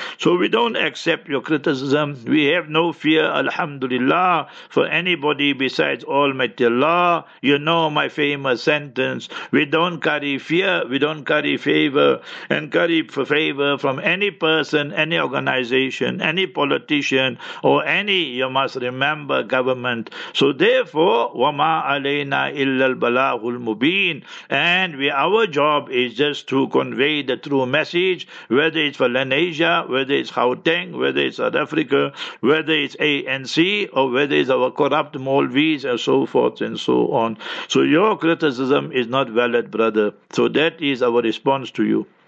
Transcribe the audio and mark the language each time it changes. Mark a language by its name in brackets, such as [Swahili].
[English] So we don't accept your criticism. We have no fear, alhamdulillah, for anybody besides Almighty Allah. You know my famous sentence. We don't carry fear, we don't carry favor, and carry favor from any person, any organization, any politician, or any, you must remember, government. So therefore, [Arabic] وَمَا عَلَيْنَا إِلَّا الْبَلَاغُ الْمُبِينَ. [English] And we, our job is just to convey the true message, whether it's for Lanesia, whether it's Gauteng, whether it's South Africa, whether it's ANC, or whether it's our corrupt Maulvis, and so forth and so on. So your criticism is not valid, brother. So that is our response to you.